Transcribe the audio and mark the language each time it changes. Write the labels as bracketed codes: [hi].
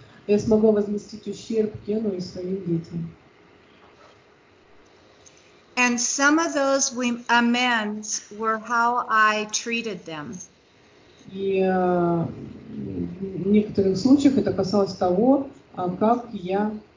[ru] Я смогла возместить ущерб Кену и своим детям. [en] And some of those amends were how I treated them. [ru] И в некоторых случаях это касалось того, как я